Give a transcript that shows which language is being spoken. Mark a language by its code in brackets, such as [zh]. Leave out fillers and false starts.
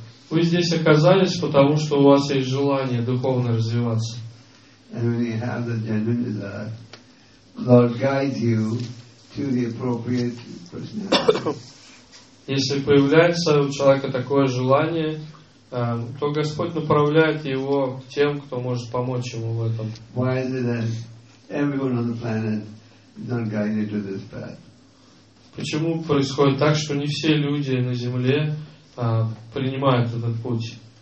[ru] Вы здесь оказались, потому что у вас есть желание духовно развиваться. [en] And when you have the genuine desire, Lord guides you to the appropriate personality. [ru] Если появляется у человека такое желание, то Господь направляет его к тем, кто может помочь ему в этом. [en] Why is it that everyone on the planet is not guided to this path? [ru] Почему происходит так, что не все люди на Земле принимают этот путь?